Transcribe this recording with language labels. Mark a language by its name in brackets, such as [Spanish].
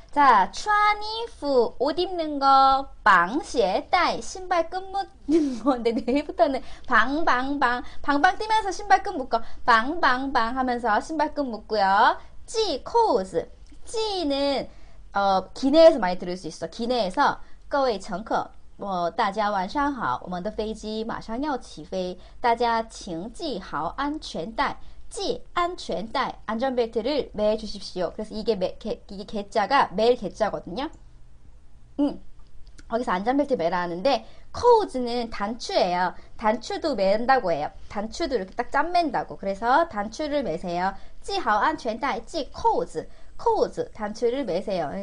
[Korean] 자, 穿衣服, 옷 입는 거, 빵鞋带, 신발 끈 묶는 건데, 내일부터는 방방방, 방방 뛰면서 신발 끈 묶어, 방방방 하면서 신발 끈 묶고요. 찌코즈, 찌는, 기내에서 많이 들을 수 있어. 기내에서, [Chinese] 各位 乘客, 大家晚上好,我们的飞机马上要起飞,大家请系好安全带。 [Korean] 찌, 안전带, 안전벨트를 매 주십시오. 그래서 이게 개자가 매일 개자거든요. 거기서 안전벨트 매라는데, 코우즈는 단추예요. 단추도 맨다고 해요. 단추도 이렇게 딱 짬맨다고. 그래서 단추를 매세요. 찌하오 안전带, 찌 코우즈, 코우즈 단추를 매세요.